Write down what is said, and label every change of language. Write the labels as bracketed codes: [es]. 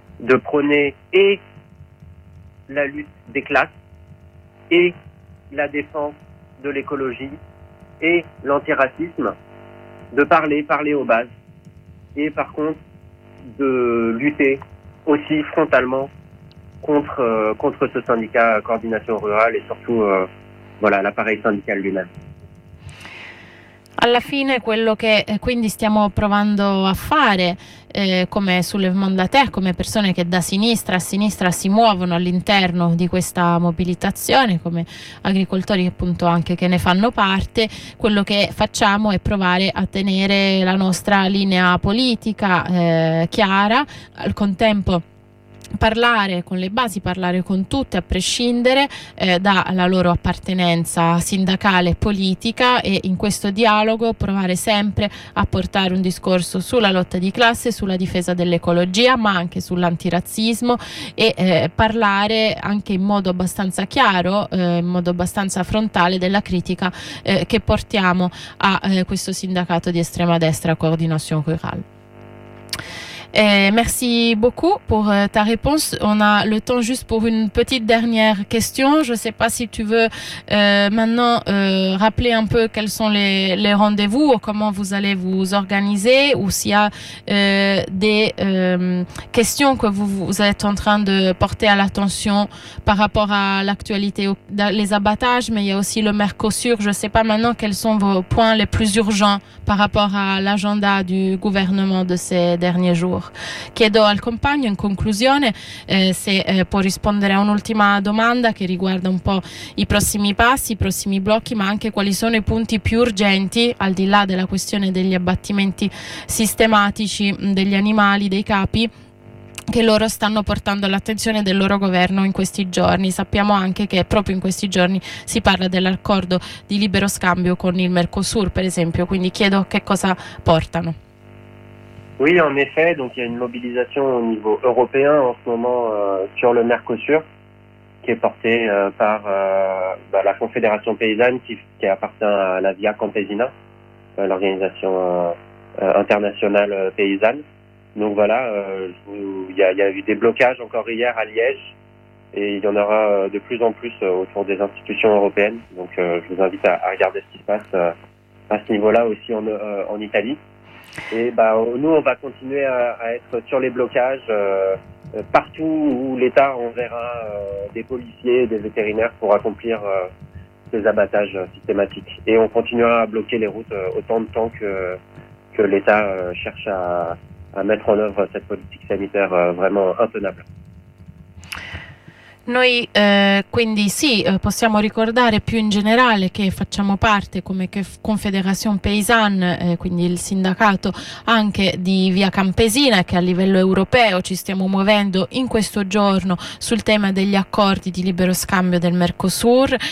[fr] De prôner et la lutte des classes et la défense de l'écologie et l'antiracisme, de parler aux bases, et par contre de lutter aussi frontalement contre ce syndicat Coordination Rurale et surtout l'appareil syndical lui-même. [it] Alla fine quello che quindi stiamo provando a fare, come sulle mandate, come persone che da sinistra a sinistra si muovono all'interno di questa mobilitazione, come agricoltori appunto anche che ne fanno parte, quello che facciamo è provare a tenere la nostra linea politica, chiara, al contempo parlare con le basi, parlare con tutte, a prescindere, dalla loro appartenenza sindacale e politica, e in questo dialogo provare sempre a portare un discorso sulla lotta di classe, sulla difesa dell'ecologia, ma anche sull'antirazzismo e parlare anche in modo abbastanza chiaro, in modo abbastanza frontale della critica, che portiamo a questo sindacato di estrema destra, Coordination Rurale. [fr] Merci beaucoup pour ta réponse. On a le temps juste pour une petite dernière question. Je ne sais pas si tu veux maintenant rappeler un peu quels sont les rendez-vous ou comment vous allez vous organiser ou s'il y a des questions que vous êtes en train de porter à l'attention par rapport à l'actualité, les abattages, mais il y a aussi le Mercosur. Je ne sais pas maintenant quels sont vos points les plus urgents par rapport à l'agenda du gouvernement de ces derniers jours. [it] Chiedo al compagno in conclusione, se può rispondere a un'ultima domanda che riguarda un po' i prossimi passi, i prossimi blocchi, ma anche quali sono i punti più urgenti, al di là della questione degli abbattimenti sistematici degli animali, dei capi, che loro stanno portando all'attenzione del loro governo in questi giorni. Sappiamo anche che proprio in questi giorni si parla dell'accordo di libero scambio con il Mercosur, per esempio, quindi chiedo che cosa portano. [fr] Oui, en effet, donc il y a une mobilisation au niveau européen en ce moment, sur le Mercosur, qui est portée, par la Confédération paysanne qui appartient à la Via Campesina, l'organisation, internationale paysanne. Donc voilà, il y a eu des blocages encore hier à Liège et il y en aura de plus en plus autour des institutions européennes. Donc, je vous invite à regarder ce qui se passe à ce niveau-là aussi en Italie. Nous, on va continuer à être sur les blocages, partout où l'État enverra des policiers, des vétérinaires pour accomplir ces abattages systématiques. Et on continuera à bloquer les routes autant de temps que l'État cherche à mettre en œuvre cette politique sanitaire vraiment intenable. [it] Noi, quindi sì, possiamo ricordare più in generale che facciamo parte come Confédération Paysanne, quindi il sindacato anche di Via Campesina, che a livello europeo ci stiamo muovendo in questo giorno sul tema degli accordi di libero scambio del Mercosur.